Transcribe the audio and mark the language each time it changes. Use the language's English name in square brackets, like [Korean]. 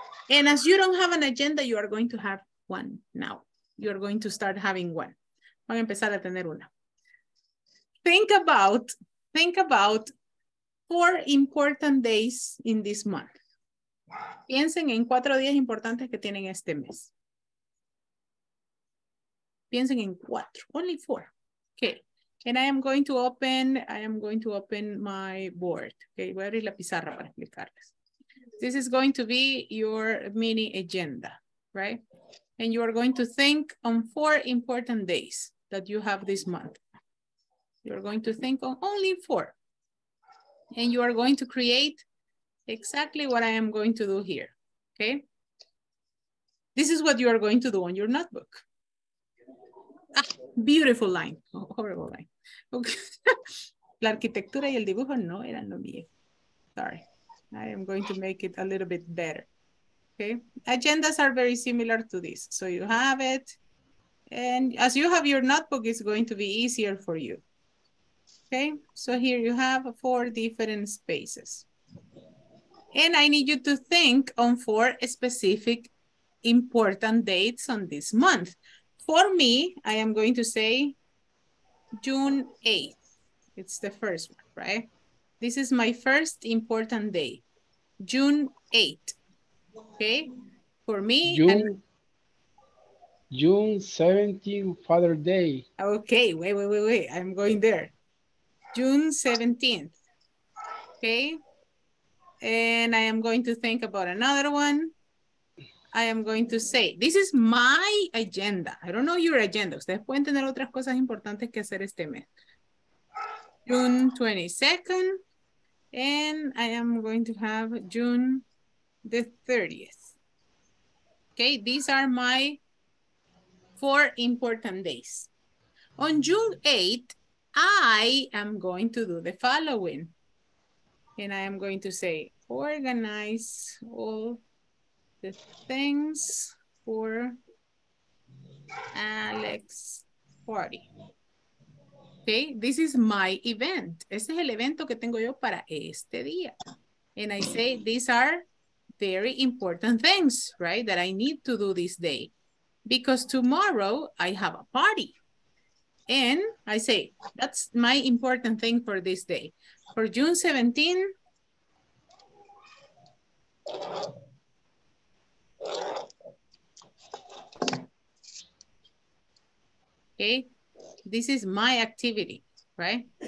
[English] And as you don't have an agenda, you are going to have one now. You're going to start having one. [Spanish] Van a empezar a tener una. [English] Think about four important days in this month. [Spanish] Piensen en cuatro días importantes que tienen este mes. Piensen en cuatro, [English] only four. Okay, and I am going to open my board. [Spanish] Okay, voy a abrir la pizarra para explicarles. [English] This is going to be your mini agenda, right? And you are going to think on four important days that you have this month. You're going to think on only four. And you are going to create exactly what I am going to do here, okay? This is what you are going to do on your notebook. Ah, beautiful line, oh, horrible line. [Spanish] Okay. La arquitectura y el dibujo no eran lo mío. [English] Sorry, I am going to make it a little bit better, okay? Agendas are very similar to this, so you have it. And as you have your notebook, it's going to be easier for you. Okay, so here you have four different spaces. And I need you to think on four specific important dates on this month. For me, I am going to say June 8th. It's the first one, right? This is my first important day, June 8th. Okay, for me, June 17th, Father's Day. Okay, wait. I'm going there. June 17th. Okay. And I am going to think about another one. I am going to say, this is my agenda. I don't know your agenda. [Spanish] Ustedes pueden tener otras cosas importantes que hacer este mes. [English] June 22nd. And I am going to have June the 30th. Okay, these are my four important days. On June 8th, I am going to do the following. And I am going to say, organize all the things for Alex's party. Okay, this is my event. [Spanish] Este es el evento que tengo yo para este día. [English] And I say, these are very important things, right? That I need to do this day. Because tomorrow I have a party. And I say, that's my important thing for this day. For June 17, okay, this is my activity, right?